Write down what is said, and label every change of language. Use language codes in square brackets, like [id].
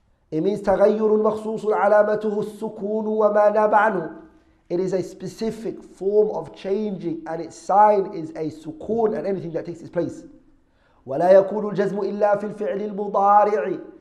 [en] It means [ar] تغير مخصوص علامته السكون وما ناب عنه. [en] It is a specific form of changing, and its sign is a sukoon and anything that takes its place. [ar] ولا يكون الجزم إلا في الفعل المضارع.